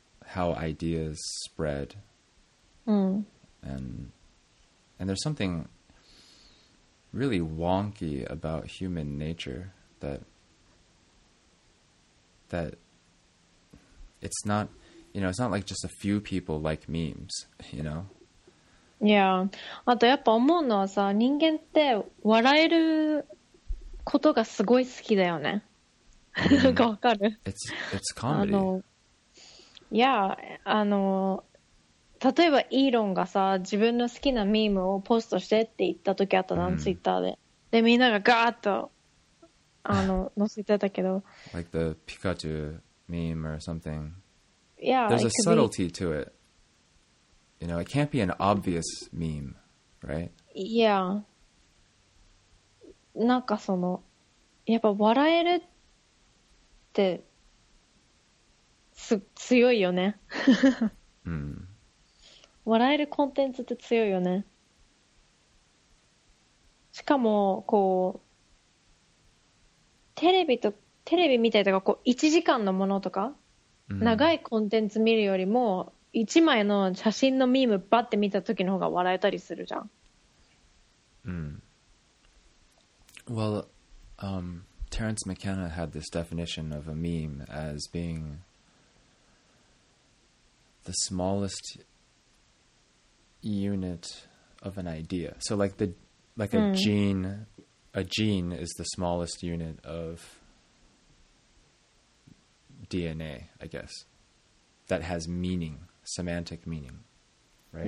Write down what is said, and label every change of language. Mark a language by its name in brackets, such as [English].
[English] how ideas spread. And there's something really wonky about human nature that it's not, you know, it's not like just a few people like memes, you know? Yeah. [Japanese] あとやっぱ思うのはさ、人間って笑えることがすごい好きだよね。なんかわかる？ [English] It's comedy. [Japanese] 例えばイーロンがさ、自分の好きなミームをポストしてって言った時あったな、ツイッターで。で、みんながガーッと、載せてたけど。 [English] Like the Pikachu meme or something. Yeah, there's a subtlety to it. You know, it can't be an obvious meme, right? Yeah. [Japanese] なんかその、やっぱ笑えるって、強いよね。笑えるコンテンツって強いよね。しかも、こう、テレビ見たりとか、こう、1時間のものとか、長いコンテンツ見るよりも、1枚の写真のミームバッて見た時の方が笑えたりするじゃん。 [English] Well, Terence McKenna had this definition of a meme as being the smallest unit of an idea. So like a gene is the smallest unit of DNA, I guess, that has meaning, semantic meaning, right?